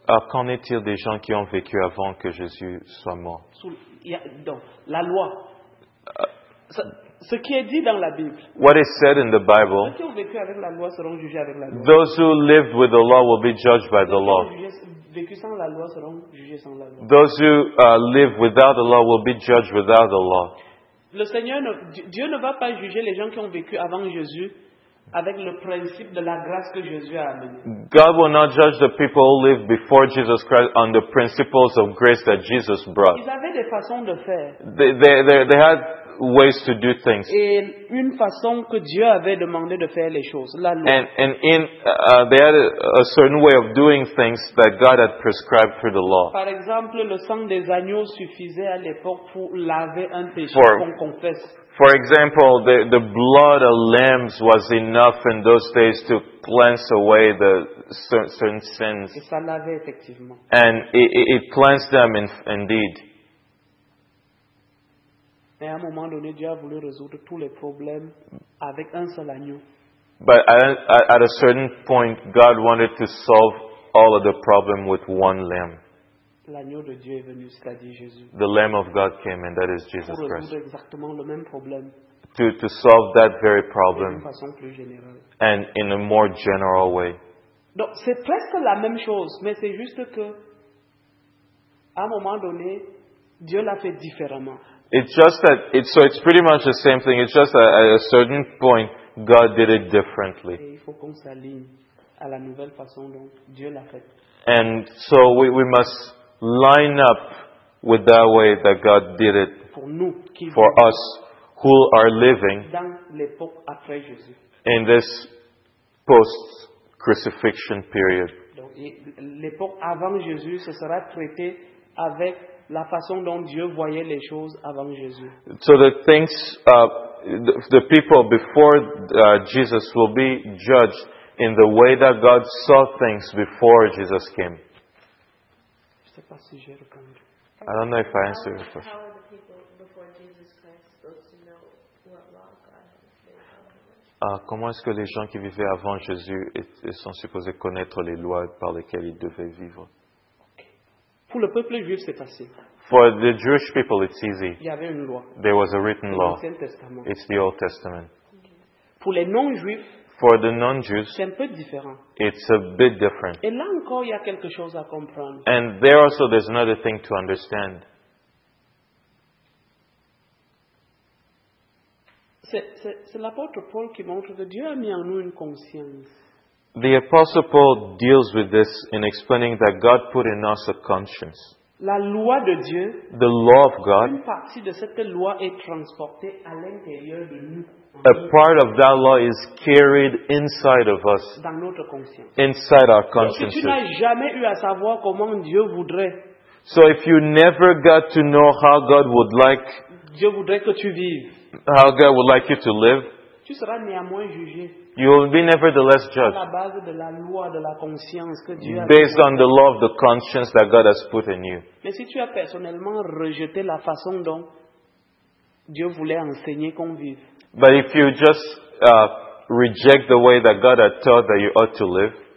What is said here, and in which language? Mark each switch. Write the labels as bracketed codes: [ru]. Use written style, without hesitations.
[fr] Qu'en est-il des gens qui ont vécu avant que Jésus soit mort? Donc, la loi. Ce qui est dit dans la Bible. [en] What is said in the Bible? [fr] Ceux qui ont vécu avec la loi seront jugés avec la loi. [en] Those who live with the law will be judged by the law. [fr] Vécu sans la loi seront jugés sans la loi. [en] Those who live without the law will be judged without the law. [fr] Le Seigneur, Dieu ne va pas juger les gens qui ont vécu avant Jésus avec le principe de la grâce que Jésus a amené. [en] God will not judge the people who lived before Jesus Christ on the principles of grace that Jesus brought. [fr] Ils avaient des façons de faire. [en] They had ways to do things. [fr] Et une façon que Dieu avait demandé de faire les choses, la loi. [en] They had a certain way of doing things that God had prescribed through the law. [fr] Par exemple, le sang des agneaux suffisait à l'époque pour laver un péché qu'on confesse. [en] For example, the blood of lambs was enough in those days to cleanse away the certain sins. [fr] Et ça lavait effectivement. [en] And it cleansed them indeed. [fr] Mais à un moment donné, Dieu a voulu résoudre tous les problèmes avec un seul agneau. [en] But at a certain point, God wanted to solve all of the problem with one lamb. [fr] L'agneau de Dieu est venu, c'est-à-dire Jésus. [en] The Lamb of God came, and that is Jesus [fr] pour [en] Christ. [fr] Exactement le même problème. [en] To solve that very problem. [fr] D'une façon plus générale. [en] And in a more general way. [fr] Donc, c'est presque la même chose, mais c'est juste que, à un moment donné, Dieu l'a fait différemment. [en] It's just that, it's pretty much the same thing. It's just that at a certain point, God did it differently. [fr] Et il faut qu'on s'aligne à la nouvelle façon dont Dieu l'a fait. [en] And so we must line up with that way that God did it [fr] pour nous, [en] for us who are living [fr] dans l'époque après Jésus. [en] In this post-crucifixion period. [fr] Donc, l'époque avant Jésus, ce sera traité avec la façon dont Dieu voyait les choses avant Jésus. [en] So the things, the people before Jesus will be judged in the way that God saw things before Jesus came. [fr] Je sais pas si j'ai répondu. [en] I don't know if I answered your question. How are the people before Jesus Christ supposed to know what law God has? [fr] Comment est-ce que les gens qui vivaient avant Jésus sont supposés connaître les lois par lesquelles ils devaient vivre? Pour le peuple juif, c'est facile. [en] For the Jewish people, it's easy. [fr] Il y avait une loi. [en] There was a written law. [fr] L'Ancien Testament. [en] It's the Old Testament. [fr] Pour les non-juifs, [en] for the non-Jews, [fr] c'est un peu différent. [en] It's a bit different. [fr] Et là encore, il y a quelque chose à comprendre. [en] And there also, there's another thing to understand. [fr] C'est l'apôtre Paul qui montre que Dieu a mis en nous une conscience. [en] The Apostle Paul deals with this in explaining that God put in us a conscience. [fr] La loi de Dieu, [en] the law of God, [fr] une partie de cette loi est transportée à l'intérieur de nous. [en] A part of that law is carried inside of us. [fr] Dans notre conscience. [en] Inside our conscience. [fr] Tu n'as jamais eu à savoir comment Dieu voudrait. [en] So if you never got to know how God would like, [fr] Dieu voudrait que tu vives. [en] How God would like you to live. [fr] Tu seras néanmoins jugé. [en] You will be nevertheless judged. [fr] La base de la loi, de la conscience que Dieu [en] based a on the law of the conscience that God has put in you. [fr] Mais si tu as personnellement rejeté la façon dont Dieu voulait enseigner qu'on vive. [en] But if you just reject the way that God had taught that you ought to live.